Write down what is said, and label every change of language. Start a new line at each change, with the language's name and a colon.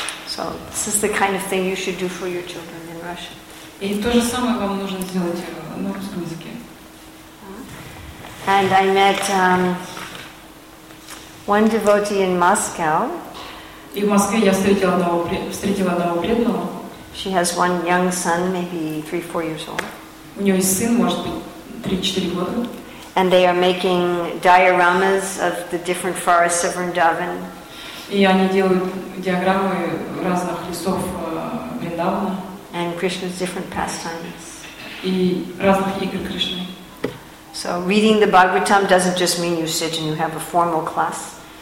English: So this is the kind of thing you should do for your children in Russian.
Russian: И то же самое вам нужно сделать на русском языке.
English: And I met one devotee in Moscow.
Russian: И в Москве я встретила одного преданного.
English: She has one young son, maybe 3-4 years old.
Russian: У нее есть сын, может быть, 3-4 года.
English: And they are making dioramas of the different forests of Vrindavan.
Russian: И они делают диаграммы разных лесов Вриндавана.
English: And Krishna's different pastimes.
Russian: И разных игр Кришны.
English: So reading the Bhagavatam doesn't just mean you sit and you have a formal class.